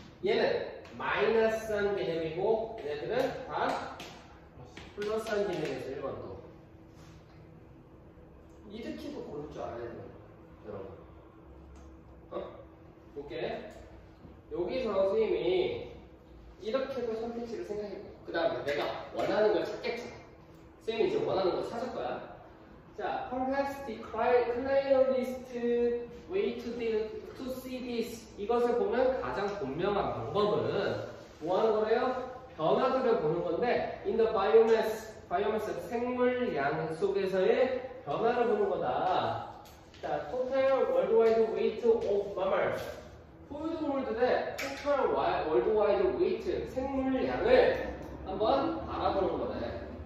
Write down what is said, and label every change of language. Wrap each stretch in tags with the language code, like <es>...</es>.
<ko>얘는 마이너스한 개념이고 얘네들은 다 플러스한 개념에서 1번도 이득키도 고를 줄 알아야 돼요 여러분. 어? 볼게. 여기서 선생님이 이득키도 선택지를 생각해. 그 다음에 내가 원하는 걸 찾겠죠. 선생님이 이제 원하는 걸 찾을 거야.</ko> <en>자, perhaps the clearest way to deal to see this.</en> <ko>이것을 보면 가장 분명한 방법은 뭐 하는 거래요? 변화들을 보는 건데,</ko> <en>in the biomass, biomass</en> <ko>생물량 속에서의 변화를 보는 거다.</ko> <en>자, total worldwide weight of mammals.</en> <ko>포유동물들의</ko> <en>total worldwide weight,</en> <ko>생물량을 한번 알아보는 거네.</ko>